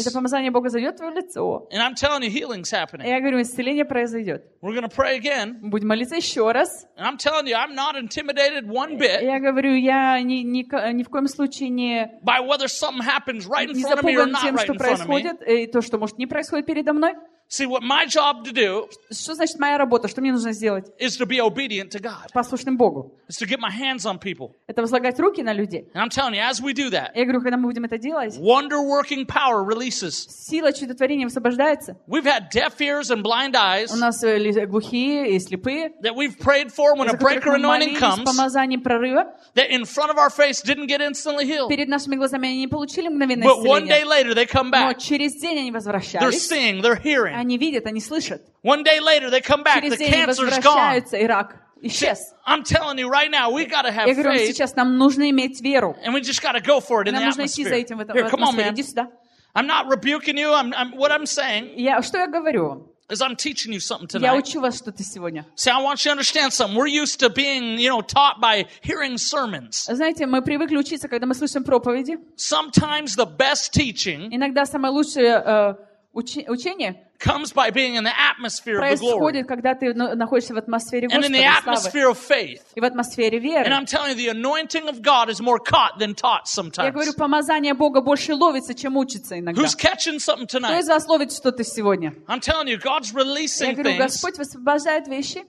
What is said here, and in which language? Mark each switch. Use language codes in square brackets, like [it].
[ru] Это помазание Бога зайдет в твое лицо. [en] And I'm telling you, healing's happening. [ru] Я говорю, исцеление произойдет. [en] We're gonna pray again. [ru] Мы будем молиться еще раз. [en] And I'm telling you, I'm not intimidated one bit. [ru] Я говорю, я ни в коем случае не. [en] By whether something happens right in front of me or not right in front of me. [ru] Не запуган тем, что происходит, и то, что может не происходит передо мной. [en] See what my job to do. [ru] Что значит моя работа? Что мне нужно сделать? [en] Is to be obedient to God. [ru] Послушным Богу. [en] Is to get my hands on people. [ru] Это возлагать руки на людей. [en] And I'm telling you, as we do that. [ru] Я говорю, когда мы будем это делать. [en] Wonder-working power releases. [ru] Сила чудотворения освобождается. [en] We've had deaf ears and blind eyes. [ru] У нас глухие и слепые. [en] That we've prayed for when a breaker anointing comes. [ru] Из-за которых мы молились помазанием прорыва. [en] That in front of our face didn't get instantly healed. [ru] Перед нашими глазами они не получили мгновенное исцеление. [en] But one day later they come back. [ru] Но через день они возвращались. [en] They're seeing. They're hearing. [ru] Они видят, они слышат. [en] One day later they come back, [ru] через [en] the cancer's gone. [ru] И рак исчез. [en] I'm telling you right now, we gotta have faith. [ru] Я говорю, сейчас нам нужно иметь веру. [en] And we just gotta go for it in the atmosphere. [ru] Нам нужно идти за этим в [en] Here, come on, man. [ru] Иди сюда. [en] I'm not rebuking you. I'm what I'm saying. [ru] Что я говорю? [en] As I'm teaching you something tonight. [ru] Я учу вас что-то сегодня. [en] See, I want you to understand something. We're used to being, you know, taught by hearing sermons. [ru] Знаете, мы привыкли учиться, когда мы слышим проповеди. [en] Sometimes the best teaching. [ru] Иногда самое лучшее учение. [en] Comes by being in the atmosphere of the glory. [ru] Происходит, когда ты находишься в атмосфере Господа. [en] And in the atmosphere of faith. [ru] И в атмосфере веры. [en] And I'm telling you, the anointing of God is more caught than taught sometimes. [ru] Я говорю, помазание Бога больше ловится, чем учится иногда. [en] Who's catching something tonight? [ru] Кто из вас ловит что-то сегодня? [en] I'm telling you, God's releasing things. [ru] Я говорю, Господь высвобождает вещи.